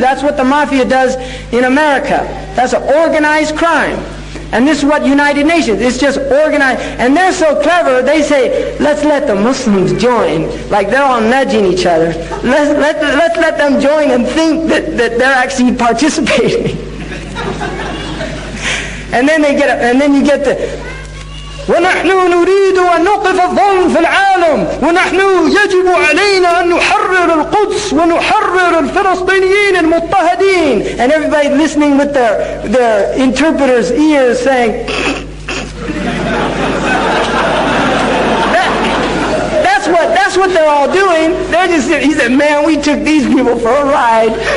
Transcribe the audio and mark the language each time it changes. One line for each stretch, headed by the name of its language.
English: That's what the mafia does in America. That's an organized crime. And this is what United Nations, it's just organized. And they're so clever, they say, let's let the Muslims join. Like they're all nudging each other. Let's let them join and think that they're actually participating. And then they get up, and then you get the,
Arabic: وَنَحْنُ نُرِيدُ وَنُقِفَ الظُّلْمُ فِي الْعَالَمِ وَنَحْنُ يَجِبُ عَلَيْنَا أَن نُحَرِّرُ الْقُدْسِ وَنُحَرِّرُ الْفِلَسْطِينِيِّينَ الْمُطَّهَدِينَ.
English: And everybody listening with their interpreter's ears saying, what they're all doing. They're just, he said, man, we took these people for a ride.